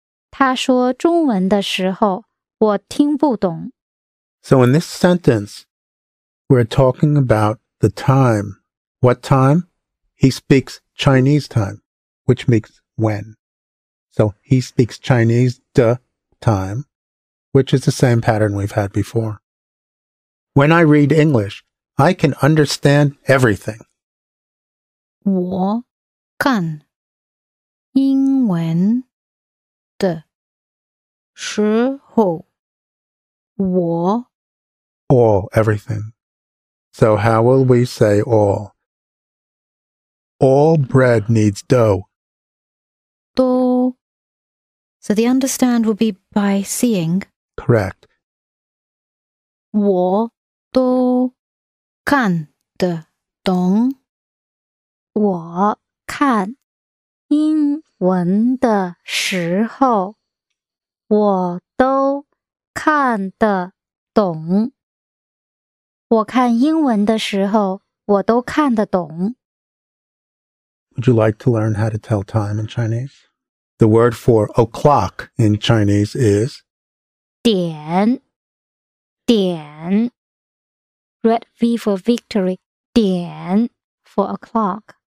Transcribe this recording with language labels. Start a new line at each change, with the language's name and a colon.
Chinese: 他说中文的时候我听不懂。
English: So in this sentence, we're talking about the time. What time? He speaks Chinese time, which means when. So he speaks Chinese de time, which is the same pattern we've had before. When I read English, I can understand everything.
Chinese: 我看英文的时候我
English: all, everything. So how will we say all? All bread needs dough.
Chinese: 都
English: So the understand will be by seeing. Correct.
Chinese: 我都看得懂我看英文的时候我都看得懂。我看英文的时候我都看得懂。
English: Would you like to learn how to tell time in Chinese? The word for o'clock in Chinese is
Chinese: 点点
English: Red V for victory
Chinese: 点
English: for o'clock.